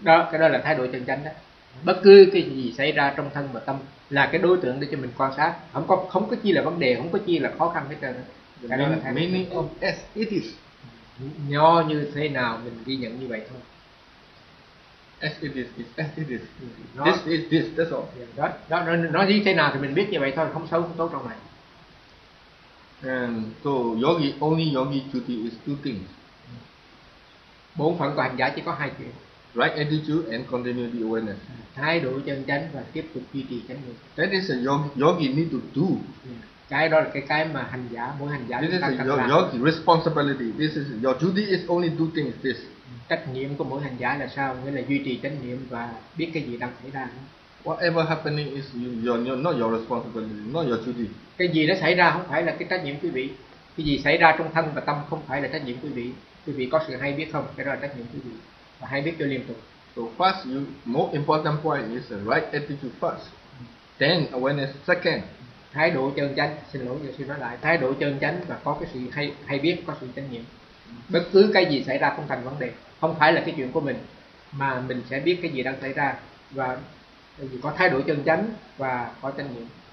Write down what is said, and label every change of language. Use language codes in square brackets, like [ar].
[vi] Đó, cái đó là thái độ chân chánh đó. Bất cứ cái gì xảy ra trong thân và tâm là cái đối tượng để cho mình quan sát, không có chi là vấn đề, không có chi là khó khăn hết trơn. [en] Meaning of as it is. [vi] Nhỏ như thế nào mình ghi nhận như vậy thôi. [en] As it is, as it is. This is this, that's all. [vi] Yeah, nó như thế nào thì mình biết như vậy thôi, không xấu không tốt trong này. [en] And so yogi, only yogi duty is two things. [vi] Bốn phận của hành giả chỉ có hai chuyện. [en] Right attitude and continuity awareness. [vi] Thái độ chân chánh và tiếp tục duy trì chánh niệm. [en] That is a yogi need to do. Yeah. [vi] Cái đó là cái mà hành giả, mỗi hành giả chúng ta cần làm. [en] This is your responsibility. This is your duty is only two things. This. [vi] Trách nhiệm của mỗi hành giả là sao? Nghĩa là duy trì trách nhiệm và biết cái gì đang xảy ra. [en] Whatever happening is not your responsibility, not your duty. [vi] Cái gì đã xảy ra không phải là cái trách nhiệm quý vị. Cái gì xảy ra trong thân và tâm không phải là trách nhiệm quý vị. Quý vị có sự hay biết không? Cái đó là trách nhiệm quý vị. Và hay biết cho liên tục. [en] So first, most important point is the right attitude first. Then awareness second. [vi] Thái độ chân chánh, xin lỗi giờ xin nói lại, thái độ chân chánh và có cái sự hay biết, có sự trách nhiệm. Bất cứ cái gì xảy ra không thành vấn đề, không phải là cái chuyện của mình, mà mình sẽ biết cái gì đang xảy ra và có thái độ chân chánh và có trách nhiệm.